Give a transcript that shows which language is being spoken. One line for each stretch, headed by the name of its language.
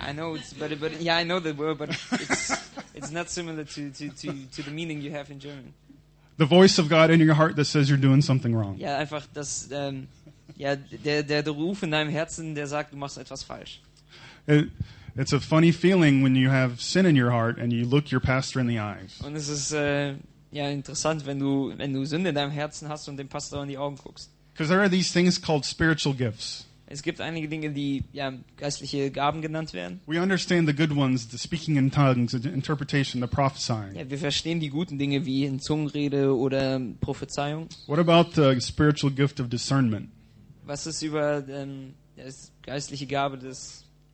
English: I know it's better, but yeah, I know the word, but it's not similar to the meaning you have in German. The voice of God in your heart that says you're doing something wrong.
German: Ja, einfach das, ja, der Ruf in deinem Herzen, der sagt, du machst etwas falsch.
English: It's a funny feeling when you have sin in your heart and you look your pastor in the eyes.
German: Und es ist ja interessant, wenn du Sünde in deinem Herzen hast und dem Pastor in die Augen guckst.
English: Because there are these things called spiritual gifts.
German: Es gibt einige Dinge, die ja, geistliche Gaben genannt werden.
English: We understand the good ones, the speaking in tongues, the interpretation, the prophesying.
German: Ja, wir verstehen die guten Dinge wie in Zungenrede oder Prophezeiung.
English: What about the spiritual gift of discernment?
German: Was ist über die geistliche Gabe des